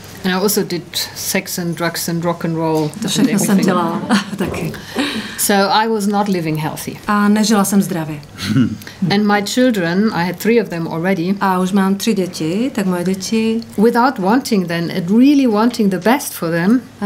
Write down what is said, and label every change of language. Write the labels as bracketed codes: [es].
[en] And I also did sex and drugs and rock and roll. [cs] To všechno jsem dělala taky. [en] So I was not living healthy. [cs] A nežila jsem zdravě. [en] And my children, I had three of them already. [cs] A už mám tři děti, tak moje děti. [en] Without wanting them, and really wanting the best for them.